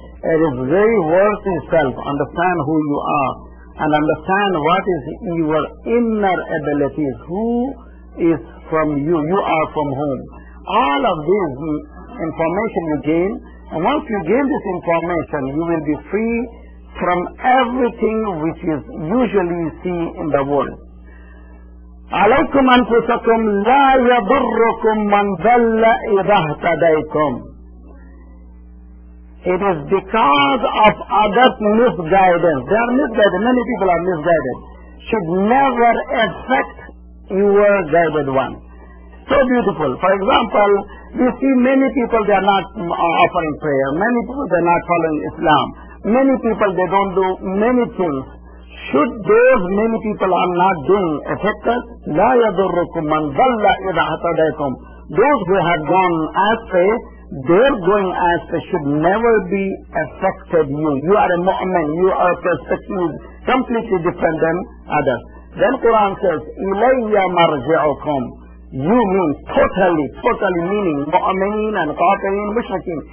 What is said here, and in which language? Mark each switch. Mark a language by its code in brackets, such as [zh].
[en] It is very worth itself. Understand who you are and understand what is your inner abilities. Who is from you? You are from whom? All of this information you gain, and once you gain this information, you will be free from everything which is usually seen in the world. [ar] عليكم أنفسكم لا يضركم من ضل إذا اهتديتم. [en] It is because of other misguidance. They are misguided. Many people are misguided. Should never affect your guided one. So beautiful. For example, we see many people, they are not offering prayer. Many people, they are not following Islam. Many people, they don't do many things. Should those many people are not doing affect us? [ar] لا يضركم من ضل إذا اهتديتم. [en] Those who have gone astray, their going astray should never be affected you. You are a mu'min, you are persecuted, completely different than others. Then Quran says, [ar] إلي مرجعكم. [en] You mean totally, totally meaning mu'min and kafirin, mushrikin.